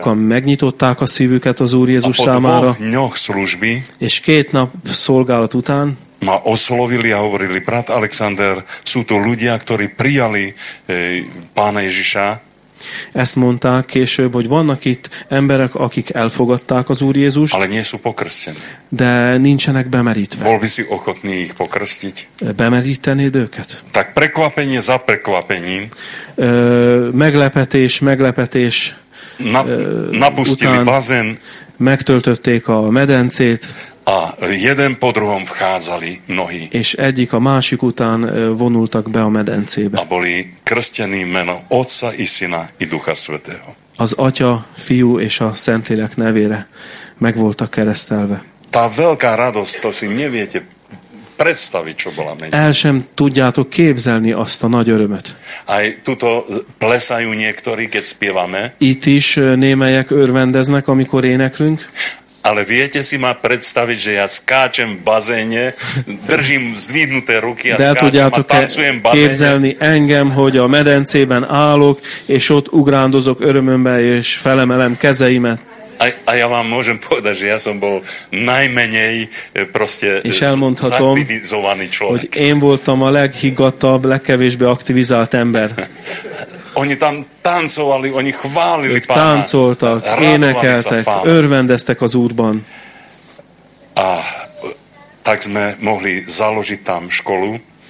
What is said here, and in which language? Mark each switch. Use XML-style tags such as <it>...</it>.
<hu>Sokan megnyitották a szívüket az Úr Jézus számára.</hu> <sk>A po dvoch dňoch služby.</sk> <hu>És két nap szolgálat után.</hu> <sk>Ma oslovili a hovorili, brat Alexander, sú to ľudia, ktorí prijali Pána Ježiša.</sk> <hu>Ezt mondták később, hogy vannak itt emberek, akik elfogadták az Úr Jézust.</hu> <sk>Ale nie sú pokrstení.</sk> <hu>De nincsenek bemerítve.</hu> <sk>Bol by si ochotný ich pokrstiť?</sk> <hu>Bemerítenéd őket?</hu> <sk>Tak prekvapenie za prekvapením.</sk> <hu>Meglepetés.</hu> <sk>Napustili után bazén.</sk> <hu>Megtöltötték a medencét.</hu> <sk>A jeden po druhom vchádzali mnohí.</sk> <hu>És egyik a másik után vonultak be a medencébe.</hu> <sk>A boli krstení meno Otca i Syna i Ducha Svätého.</sk> <hu>Az Atya, Fiú és a Szentlélek nevére meg voltak keresztelve.</hu> <sk>Tá veľká radosť, to si neviete predstaviť, čo bola menej.</sk> <hu>El sem tudjátok képzelni azt a nagy örömöt.</hu> <sk>Aj tuto plesajú niektorí, keď spievame.</sk> <hu>Itt is némelyek örvendeznek, amikor éneklünk.</hu> <sk>Ale viete si ma predstaviť, že ja skáčem v bazéne, držím zdvihnuté ruky a skáčem a tancujem v bazéne.</sk> <hu>De képzelni engem, hogy a medencében állok, és ott ugrándozok örömömbe, és felemelem kezeimet.</hu> <sk>A ja vám môžem povedať, že ja som bol najmenej proste zaktivizovaný človek.</sk> <hu>Hogy én voltam a leghiggadtabb, legkevésbé aktivizált ember.</hu> <sk>Oni tam táncovali, oni chválili Pána.</sk> <hu>Táncoltak, énekeltek, örvendeztek az Úrban.</hu> <sk>A tak sme mohli založiť tam školu.</sk>